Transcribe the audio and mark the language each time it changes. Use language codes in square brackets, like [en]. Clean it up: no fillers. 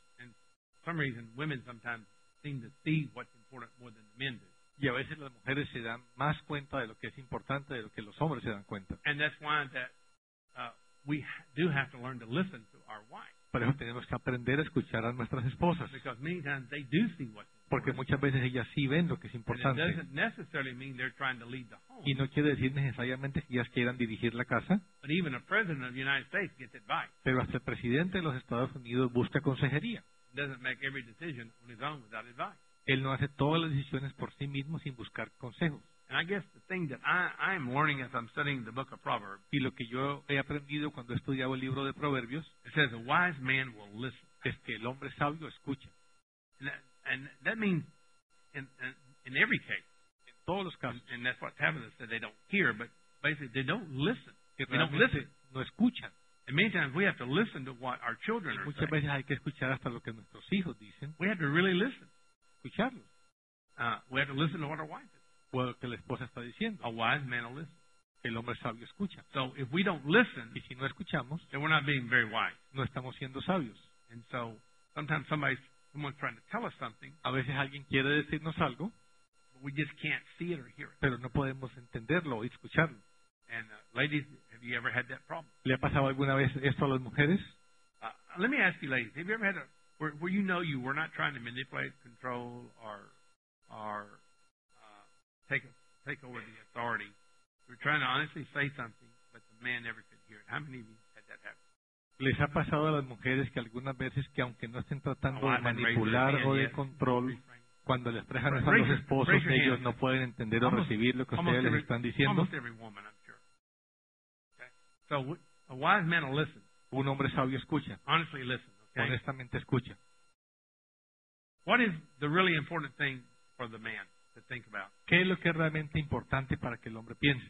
[en] And for some reason, women sometimes seem to see what's important more than the men do. [es] Y a veces las mujeres se dan más cuenta de lo que es importante de lo que los hombres se dan cuenta. [en] And that's why that we do have to learn to listen. [es] Por eso tenemos que aprender a escuchar a nuestras esposas. [en] Because many times they do see what's important. [es] Porque muchas veces ellas sí ven lo que es importante. [en] And it doesn't necessarily mean they're trying to lead the home. [es] Y no quiere decir necesariamente que ellas quieran dirigir la casa. [en] But even a president of the United States gets advice. [es] Pero hasta el presidente de los Estados Unidos busca consejería. [en] He doesn't make every decision on his own without advice. [es] Él no hace todas las decisiones por sí mismo sin buscar consejos. [en] And I guess the thing that I'm learning as I'm studying the book of Proverbs. [es] Y lo que yo he aprendido cuando he estudiado el libro de Proverbios. [en] It says a wise man will listen. [es] Es que el hombre sabio escucha. [en] And that means in every case. [es] En todos los casos. [en] And that's what Tabitha said. They don't hear, but basically they don't listen. They don't listen. [es] No escuchan. [en] And many times we have to listen to what our children are saying. [es] Muchas veces hay que escuchar hasta lo que nuestros hijos dicen. [en] We have to really listen. [es] Escucharlos. [en] We have to listen to what our wife is. [es] O lo que la esposa está diciendo. [en] A wise man will listen. [es] El hombre sabio escucha. [en] So if we don't listen, [es] y si no escuchamos, [en] then we're not being very wise. [es] No estamos siendo sabios. [en] And so sometimes someone's trying to tell us something. [es] A veces alguien quiere decirnos algo. [en] But we just can't see it or hear it. [es] Pero no podemos entenderlo o escucharlo. [en] And ladies, have you ever had that problem? [es] ¿Le ha pasado alguna vez esto a las mujeres? [en] Let me ask you, ladies, have you ever had a where you know you were not trying to manipulate, control, or take over the authority. You're trying to honestly say something, but the man never could hear it. How many of you had that happen? [es] ¿Les ha pasado a las mujeres que algunas veces que aunque no estén tratando de manipular o de control, cuando les prestan a los esposos, ellos no pueden entender o recibir lo que ustedes les están diciendo? [en] Almost every woman, I'm sure. Okay. So a wise man will listen. [es] Un hombre sabio escucha. [en] Honestly listen. Okay. [es] Honestamente escucha. [en] What is the really important thing for the man? To think about. [es] ¿Qué es lo que es realmente importante para que el hombre piense?